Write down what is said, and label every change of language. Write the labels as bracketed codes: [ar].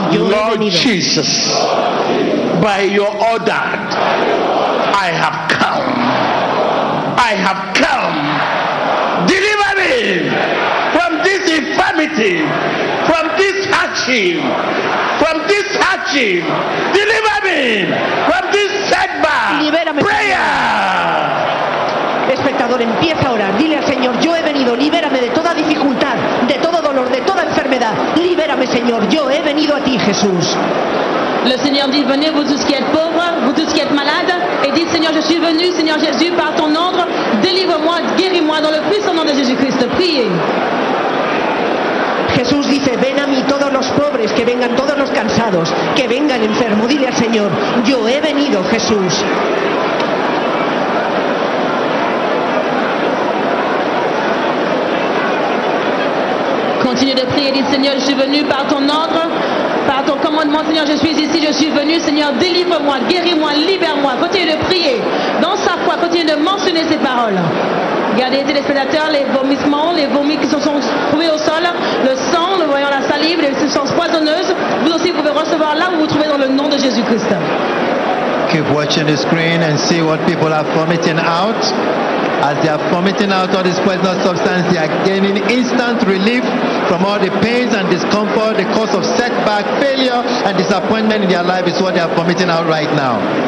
[en] Lord Jesus, by your order, I have come. I have come. Deliver me from this infirmity, from this hardship, from this hardship. Deliver me from this setback. Prayer. [es] Espectador, empieza ahora. Dile al Señor, yo he venido. Libérame de toda dificultad, de todo dolor, de toda enfermedad. Libérame, Señor. Yo he venido a ti, Jesús. [fr] Le Seigneur dit, venez, vous tous qui êtes pauvres, vous tous qui êtes malades, et dites, Seigneur, je suis venu, Seigneur Jésus, par ton ordre, délivre-moi, guéris-moi dans le puissant nom de Jésus-Christ. Priez. [es] Jesús dice, ven a mí todos los pobres, que vengan todos los cansados, que venga el enfermo. Dile al Señor, yo he venido, Jesús. [fr] Continue de prier, dit Seigneur, je suis venu par ton ordre, par ton commandement, Seigneur, je suis ici, je suis venu, Seigneur, délivre-moi, guéris-moi, libère-moi. Continue de prier, dans sa foi, continue de mentionner ces paroles. Regardez, téléspectateurs, les vomissements, les vomis qui se sont trouvés au sol, le sang, le voyant la salive, les substances poisonneuses, vous aussi pouvez recevoir là où vous trouvez dans le nom de Jésus-Christ. [en] Keep watching the screen and see what people are vomiting out. As they are vomiting out all this poisonous substance, they are gaining instant relief from all the pains and discomfort, the cause of setback, failure, and disappointment in their life is what they are vomiting out right now.